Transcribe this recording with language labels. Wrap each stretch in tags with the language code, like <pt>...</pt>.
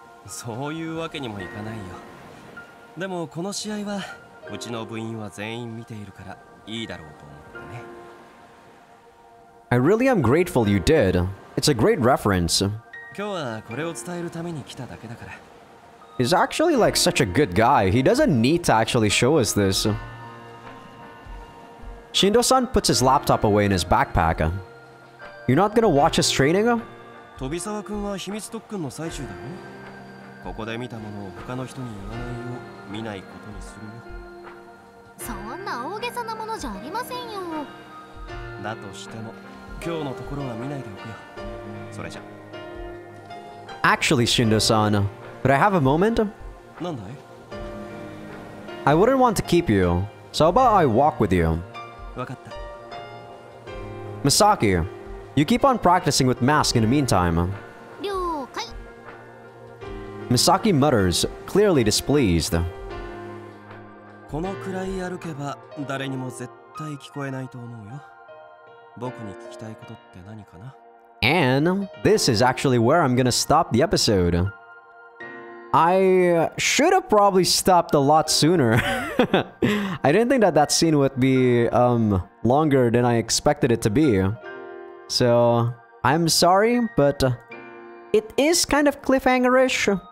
<ja>そういうわけにもいかないよ。でもこの試合はうちの部員は全員見ているからいいだろうと思ってね。</ja> <en>I really am grateful you did. It's a great reference.</en> <ja>今日はこれを伝えるために来ただけだから。</ja> <en>He's actually like such a good guy. He doesn't need to actually show us this. Shindo-san puts his laptop away in his backpack. You're not gonna watch his training?</en> <ja>飛び沢君は秘密特訓の最中だろ。ここで見たものを他の人に言わないよう見ないことにするよ。そんな大げさなものじゃありませんよ。だとしても今日のところは見ないでおくよ。それじゃ。</ja> <en>Actually, Shindo-san, but I have a moment.</en> <ja>なんだい?</ja> <en>I wouldn't want to keep you, so how about I walk with you?</en> <ja>わかった。</ja> <en>Misaki, you keep on practicing with mask in the meantime.</en> <ja>了解。</ja> <en>Misaki mutters, clearly displeased.</en> <ja>このくらい歩けば誰にも絶対聞こえないと思うよ。僕に聞きたいことって何かな?</ja> <en>And this is actually where I'm gonna stop the episode. I should have probably stopped a lot sooner. I didn't think that scene would be longer than I expected it to be. So, I'm sorry, but it is kind of cliffhanger-ish.</en>